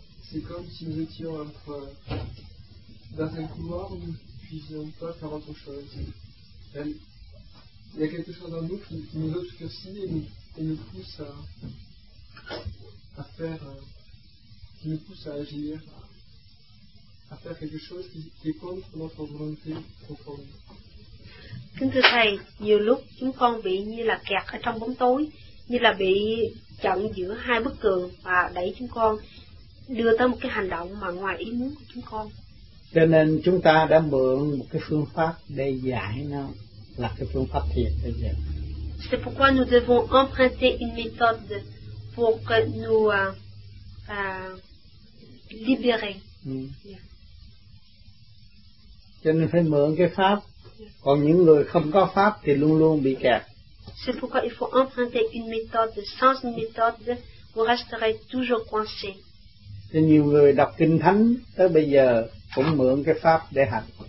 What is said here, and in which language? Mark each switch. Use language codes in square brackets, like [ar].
[fr] C'est comme si nous étions dans un couloir où nous ne puissions pas faire autre chose. Il y a quelque chose en nous qui nous obscurcit et nous pousse à agir, à faire quelque chose qui est contre notre volonté profonde. [vi] Kính thưa Thầy, nhiều lúc chúng con bị như là kẹt ở trong bóng tối, như là bị chặn giữa hai bức tường và đẩy chúng con đưa tới một cái hành động mà ngoài ý muốn của chúng con. Cho nên chúng ta đã mượn một cái phương pháp để giải nó, là cái phương pháp thiền bây giờ. [fr] C'est pourquoi nous devons emprunter une méthode pour que nous libérer. [vi] Cho nên phải mượn cái pháp, còn những người không có pháp thì luôn luôn bị kẹt. [fr] C'est pourquoi il faut emprunter une méthode. Sans une méthode, vous resterez toujours coincé. [vi] Et nhiều người đọc kinh thánh tới bây giờ cũng mượn cái pháp để hành.